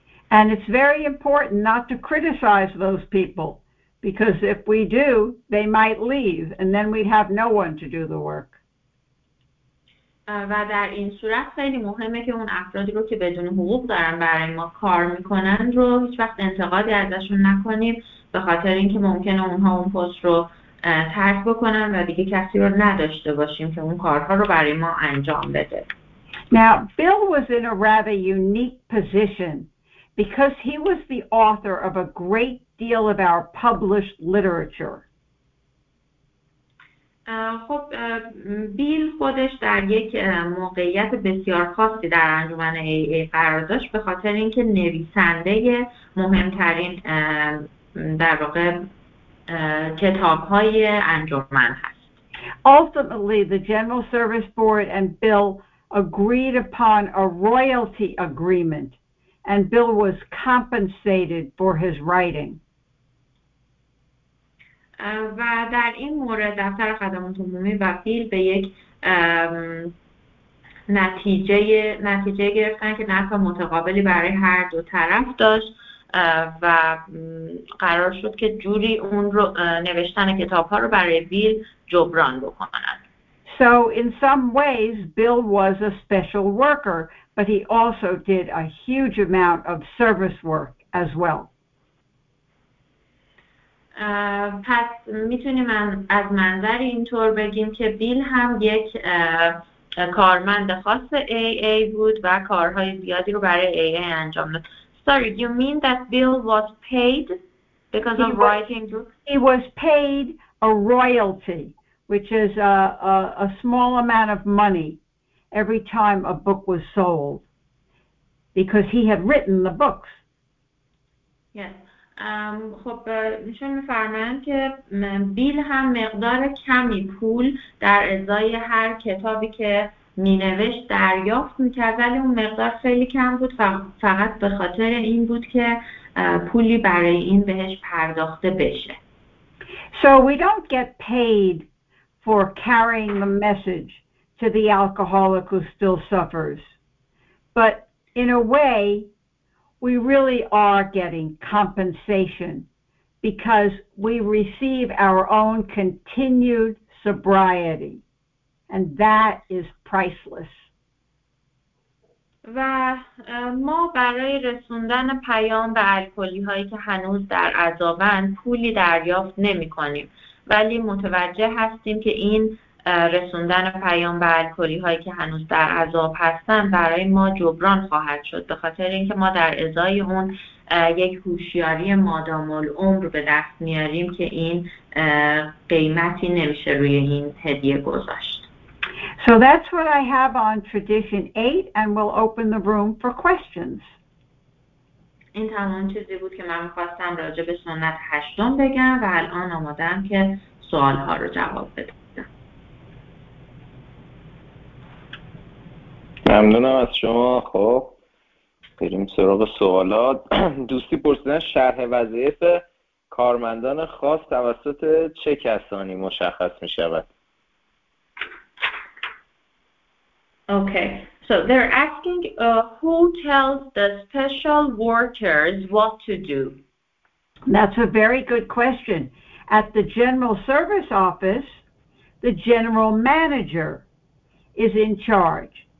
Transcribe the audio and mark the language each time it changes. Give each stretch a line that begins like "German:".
English: And it's very important not to criticize those people because if we do they might leave and then we'd have no one to do the work.
Persian: و در این صورت خیلی مهمه که اون افرادی رو که بدون حقوق دارن برای ما کار میکنن رو هیچ وقت انتقادی ازشون نکنیم به خاطر اینکه ممکنه اونها اون پست رو ترک بکنن و دیگه کسی رو نداشته باشیم که اون کارها رو برای ما انجام بده.
English: Now Bill was in a rather unique position because he was the author of a great deal of our published literature.
Persian: خب بیل خودش در یک موقعیت بسیار خاصی در انجمن AA قرار داشت به خاطر اینکه نویسنده مهمترین در واقع کتاب‌های انجمن هست.
English: Ultimately the General Service Board and Bill agreed upon a royalty agreement and Bill was compensated for his writing.
Persian: و در این مورد دفتر خدمات عمومی و بیل به یک نتیجه گرفتن که نفع متقابلی برای هر دو طرف داشت و قرار شد که جوری اون رو نوشتن کتاب ها رو برای بیل جبران بکنن.
English: So in some ways Bill was a special worker but he also did a huge amount of service work as well.
Persian: پس میتونیم از منظر اینطور بگیم که بیل هم یک کارمند خاص AA بود و کارهای زیادی رو برای AA انجام داد.
English: Sorry, you mean that Bill was paid because of writing books? He was paid a royalty, which is a small amount of money every time a book was sold because he had written the books. Yes.
Persian: خب ایشون می‌فرمایند که بیل هم مقدار کمی پول در ازای هر کتابی که می‌نوشت دریافت می‌کرد ولی اون مقدار خیلی کم بود فقط به خاطر این بود که پولی برای این بهش پرداخته بشه.
English: So we don't get paid for carrying the message to the alcoholic who still suffers. But in a way we really are getting compensation because we receive our own continued sobriety and that is priceless.
Persian: و ما برای رسوندن پیام به الکلی هایی که هنوز در عذابند پولی دریافت نمی کنیم، ولی متوجه هستیم که این رسوندن پیام به الکلی هایی که هنوز در عذاب هستند برای ما جبران خواهد شد، به خاطر اینکه ما در ازای اون یک هوشیاری مادام العمر به دست میاریم که این قیمتی نمیشه روی این هدیه گذاشت.
English: So that's what I have on tradition 8 and we'll open the room for questions.
Persian: این تمام چیزی بود که من می‌خواستم راجع به سنت هشتم بگم و الان آمادم که سوال‌ها رو جواب بدم. ممنونم از شما. خب بریم سراغ سوالات. دوستی پرسیدن شرح وظایف کارمندان خاص توسط چه کسانی مشخص می شود؟
English: Okay, so they're asking who tells the special workers what to do? That's a very good question. At the general service office, the general manager is in charge.